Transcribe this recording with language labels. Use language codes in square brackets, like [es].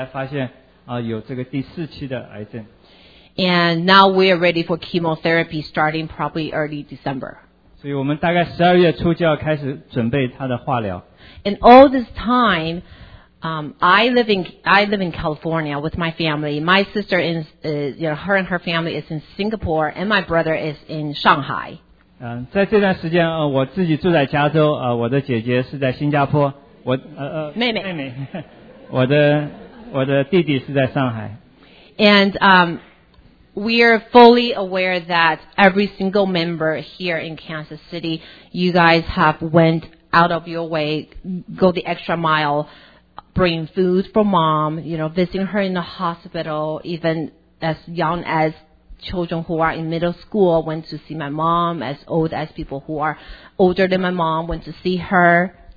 [zh] 后来11月份发现有肿瘤，后来手术切除之后，后来发现有这个第四期的癌症。 [en] And now we're ready for chemotherapy starting probably early December. [zh] 所以我们大概12月初就要开始准备她的化疗。 [en] And all this time, I live in California with my family. My sister her and her family is in Singapore, and my brother is in Shanghai. [zh] 在这段时间，我自己住在加州，我的姐姐是在新加坡，我妹妹，我的弟弟是在上海。 [en] And we are fully aware that every single member here in Kansas City, you guys have went out of your way, go the extra mile, bring food for mom, visiting her in the hospital, even as young as children who are in middle school went to see my mom, as old as people who are older than my mom went to see her.